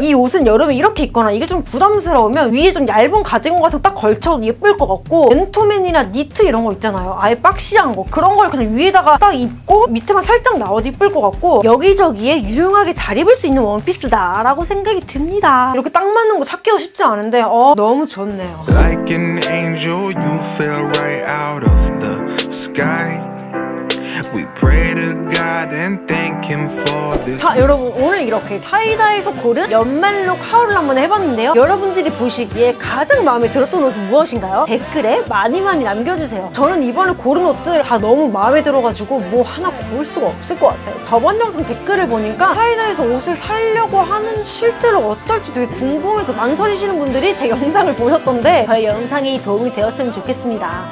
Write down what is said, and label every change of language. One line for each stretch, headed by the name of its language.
Korean: 이 옷은 여름에 이렇게 입거나 이게 좀 부담스러우면 위에 좀 얇은 가디건 같은 거 딱 걸쳐도 예쁠 것 같고 맨투맨이나 니트 이런 거 있잖아요. 아예 박시한 거 그런 걸 그냥 위에다가 딱 입고 밑에만 살짝 나와도 이쁠 것 같고 여기저기에 유용하게 잘 입을 수 있는 원피스다 라고 생각이 듭니다. 이렇게 딱 맞는 거 찾기가 쉽지 않은데 너무 좋네요.
English: Like an angel you fell right out of the sky. We pray to God and thank him for this.
Korean: 자, 여러분 오늘 이렇게 사이다에서 고른 연말룩 하울을 한번 해봤는데요. 여러분들이 보시기에 가장 마음에 들었던 옷은 무엇인가요? 댓글에 많이 많이 남겨주세요. 저는 이번에 고른 옷들 다 너무 마음에 들어가지고 뭐 하나 고를 수가 없을 것 같아요. 저번 영상 댓글을 보니까 사이다에서 옷을 사려고 하는 실제로 어떨지 되게 궁금해서 망설이시는 분들이 제 영상을 보셨던데 저의 영상이 도움이 되었으면 좋겠습니다.